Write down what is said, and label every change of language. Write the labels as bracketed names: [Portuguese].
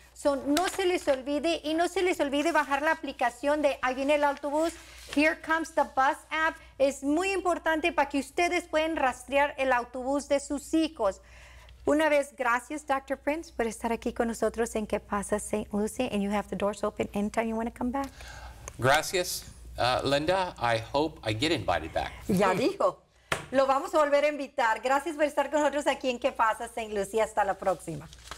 [Spanish] So, no se les olvide y no se les olvide bajar la aplicación de ahí viene el autobús, Here Comes the Bus app. Es muy importante para que ustedes puedan rastrear el autobús de sus hijos. Una vez, gracias, Dr. Prince, por estar aquí con nosotros en Qué Pasa, St. [English] Lucie, and you have the doors open anytime you want to come back. Gracias, Linda. I hope I get invited back. [Spanish] Ya dijo. Lo vamos a volver a invitar. Gracias por estar con nosotros aquí en Qué Pasa, St. Lucie. Hasta la próxima.